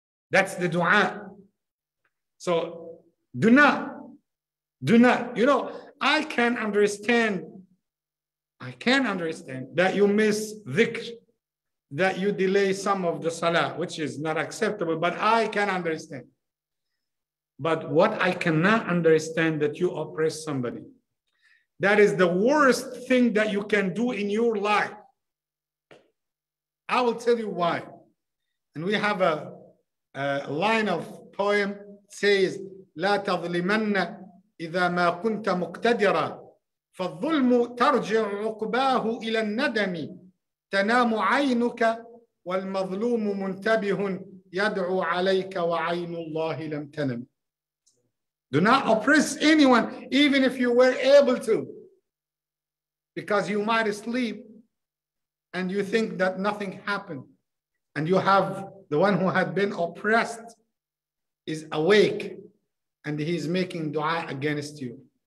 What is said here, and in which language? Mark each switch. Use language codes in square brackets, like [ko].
[en] That's the dua. So do not, you know, I can understand that you miss dhikr, that you delay some of the salah, which is not acceptable, but I can understand. But what I cannot understand, that you oppress somebody. That is the worst thing that you can do in your life. I will tell you why. And we have a line of poem says, [ar] لَا تَظْلِمَنَّ إِذَا مَا كُنْتَ مُقْتَدِرًا فَالظُّلْمُ تَرْجِعُ عُقْبَاهُ إِلَى النَّدَمِ تَنَامُ عَيْنُكَ وَالْمَظْلُومُ مُنْتَبِهٌ يَدْعُو عَلَيْكَ وَعَيْنُ اللَّهِ لَمْ تَنَمْ. [en] Do not oppress anyone, even if you were able to. Because you might sleep and you think that nothing happened. And you have the one who had been oppressed is awake and he is making dua against you.